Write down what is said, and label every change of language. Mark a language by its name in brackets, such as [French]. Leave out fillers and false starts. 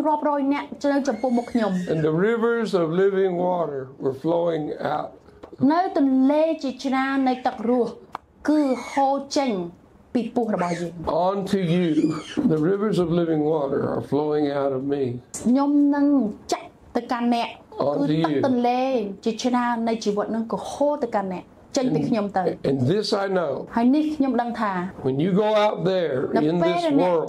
[English] And the rivers of living water were flowing out. [Khmer] នៅទន្លេជាច្រើននៃទឹករស់គឺហូរចេញពីពោះរបស់យើង [English] On to you, the rivers of living water are flowing out of me. [Khmer] ខ្ញុំនឹងចាក់ទៅកាន់អ្នកគឺទន្លេជាច្រើននៃជីវិតនឹងក៏ហូរទៅកាន់អ្នកចេញពីខ្ញុំទៅ [English] And this I know. [Khmer] ហើយនេះខ្ញុំដឹងថា [English] When you go out there in this world,